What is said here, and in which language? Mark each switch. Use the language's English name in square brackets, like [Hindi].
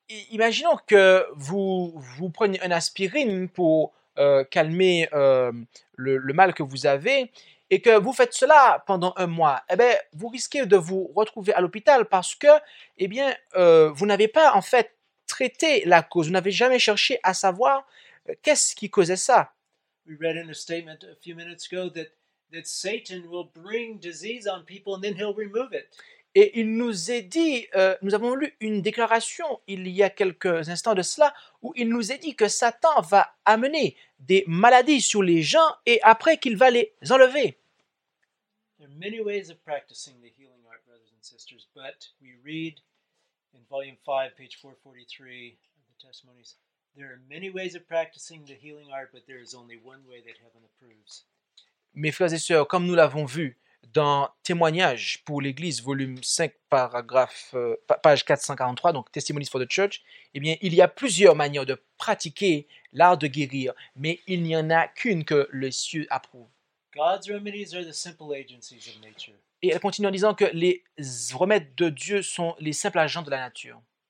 [French] Imaginons que vous preniez un aspirine pour calmer le mal que vous avez et que vous faites cela pendant un mois, eh bien, vous risquez de vous retrouver à l'hôpital parce que, eh bien, vous n'avez pas en fait traité la cause. Vous n'avez jamais cherché à savoir qu'est-ce qui causait ça. [English] We read in a statement a few minutes ago that Satan will bring disease on people and then he'll remove it. [French] Et il nous est dit, nous avons lu une déclaration il y a quelques instants de cela, où il nous est dit que Satan va amener des maladies sur les gens et après qu'il va les enlever. [English] There are many ways of practicing the healing art, brothers and sisters, but we read in volume 5, page 443 of the testimonies, there are many ways of practicing the healing art, but there is only one way that heaven approves. [French] Mes frères et sœurs, comme nous l'avons vu, dans Témoignage pour l'Église, volume 5, paragraphe, page 443, donc Testimonies for the Church, eh bien, il y a plusieurs manières de pratiquer l'art de guérir, mais il n'y en a qu'une que les cieux approuvent. [English] God's remedies are the simple agencies of nature. [French] Et elle continue en disant que les remèdes de Dieu sont les simples agents de la nature.